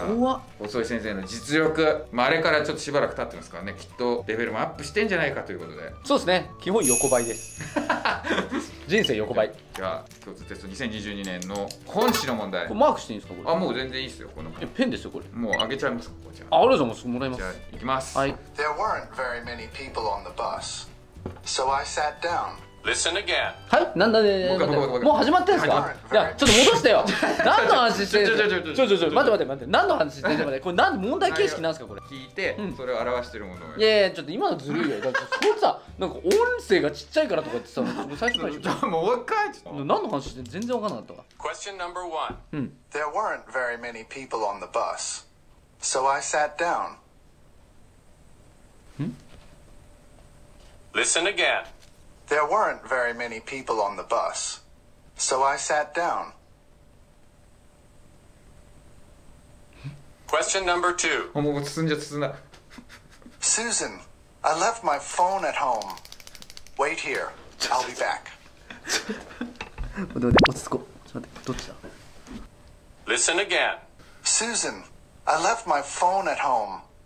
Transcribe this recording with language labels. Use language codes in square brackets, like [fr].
[ja] あ細井先生の実力、まあ、あれからちょっとしばらく経ってますからね、きっとレベルもアップしてんじゃないかということで。そうですね、基本横ばいです。人生横ばい。じゃあ共通テスト2022年の本誌の問題。これマークしていいんですか、これ。あ、もう全然いいですよ、このいやペンですよ、これもうあげちゃいますか、こちら。あ、ありがとうございます、もらいます。じゃあ行きます、はい。 [en] There weren't very many people on the bus, so I sat downListen again. [ja] はい、なんだね、もう始まってんすか。いや、ちょっと戻してよ。何の話してんの。ちょ待って。何の話してんの。これ何、問題形式なんですか、これ。聞いて、うん、それを表してるものを。いやいや、ちょっと今のずるいよ。だってそれさ、なんか音声がちっちゃいからとか言ってさ、最初からでしょ。もう一回ちょっと。何の話してんの、全然わかんなかったわ。 [en] Question number one. うん。 There weren't very many people on the bus, so I sat down. ん ?Listen again. There weren't very many people on the bus, so I sat down. Question number two. [ja] もう包んじゃ包んだ。 [en] Susan, I left my phone at home. Wait here, I'll be back. [ja] ちょっと待って、落ち着こう。ちょっと待って、どっちだ。 [en] Listen again. Susan, I left my phone at home.